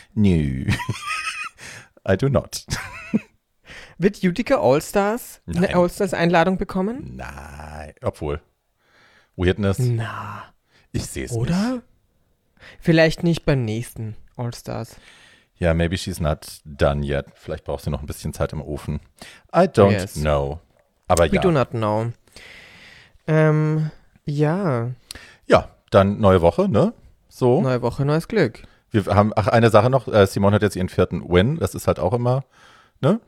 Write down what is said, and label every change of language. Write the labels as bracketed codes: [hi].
[de] Nö. [en] I do not. [de] Wird Utica All-Stars eine All-Stars-Einladung bekommen? Nein, obwohl. Weirdness. Na. Ich sehe es nicht. Oder? Vielleicht nicht beim nächsten All-Stars. [en] Ja, yeah, maybe she's not done yet. [de] Vielleicht braucht sie noch ein bisschen Zeit im Ofen. [en] I don't know. Aber we do not know. Ja. [de] Ja, dann neue Woche, ne? So. Neue Woche, neues Glück. Wir haben, ach, eine Sache noch. Simone hat jetzt ihren vierten Win. Das ist halt auch immer, ne?